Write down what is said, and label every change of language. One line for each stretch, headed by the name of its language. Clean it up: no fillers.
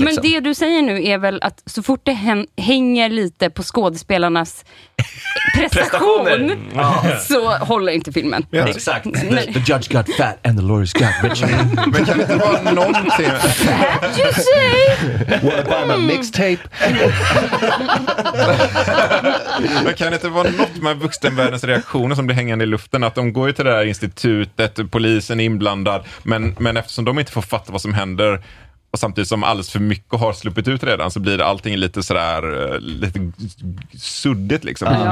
Swedish: Men det du säger nu är väl att så fort det hänger lite på skådespelarnas... prestation så håller inte filmen. Ja. Exakt.
English: The judge got fat and the lawyers got rich.
Swedish: Men kan inte vara någonting.
English: Fat, you say? What about my mixtape?
Swedish: Men kan inte vara något med vuxenvärldens reaktioner som blir hängande i luften? Att de går ju till det här institutet, polisen är inblandad, men eftersom de inte får fatta vad som händer och samtidigt som alldeles för mycket har sluppit ut redan så blir allting lite sådär lite suddigt liksom. Ja.